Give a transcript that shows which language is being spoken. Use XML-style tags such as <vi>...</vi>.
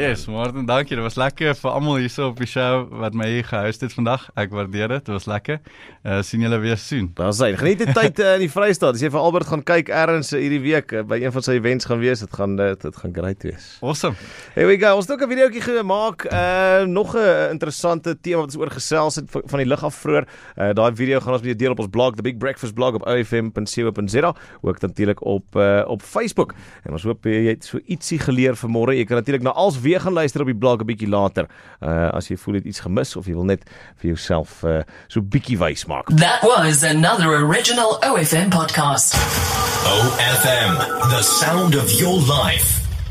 <af>Yes, Martin, dankie. Dit was lekker vir almal hierso op die show wat my hier gehuis het vandag. Ek waardeer dit. Dit was lekker. Julle weer sien. Daar sien. Geniet die tyd in die Vrystaat. As jy vir Albert gaan kyk ergens hierdie week by een van sy events gaan wees, dit gaan great wees.</af> <en>Awesome. Here we go.</en> <af>Ons het ook 'n videoetjie gemaak. Nog 'n interessante tema wat ons oor gesels het van die lug af vroeër. Daai video gaan ons weer deel op ons blog, The Big Breakfast blog op ofm.co.za, ook natuurlik op Facebook. En ons hoop jy het so ietsie geleer vanmôre. Jy kan natuurlik na als weer gaan luister op die blog 'n bietjie later. As jy voel jy het iets gemis of jy wil net vir jouself so bietjie wys maak.</af> <en>That was another original OFM podcast. OFM, the sound of your life.</en>